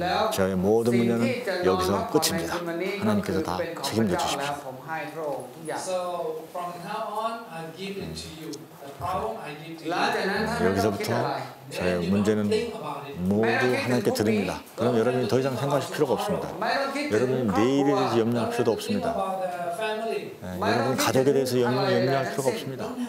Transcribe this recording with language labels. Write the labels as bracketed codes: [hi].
[ko] 저의 모든 문제는 여기서 끝입니다. 하나님께서 다 책임져 주십시오. [en] So from now on, I give it to you. The problem I give to you. [ko] 여기서부터 저의 문제는 모두 하나님께 드립니다. 그럼 여러분이 더 이상 생각하실 필요가 없습니다. 여러분이 내일에 대해서 염려할 필요도 없습니다. 여러분 가족에 대해서 염려할 필요가 없습니다.